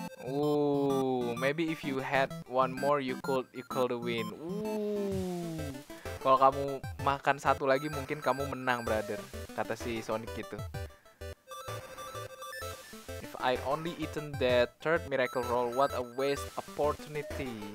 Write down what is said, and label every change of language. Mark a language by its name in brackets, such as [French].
[English] Ooh, maybe if you had one more, you could win. [Indonesian] Ooh, kalau kamu makan satu lagi, mungkin kamu menang, Brother. Kata si Sonic gitu. [English] If I only eaten that third miracle roll, what a waste opportunity.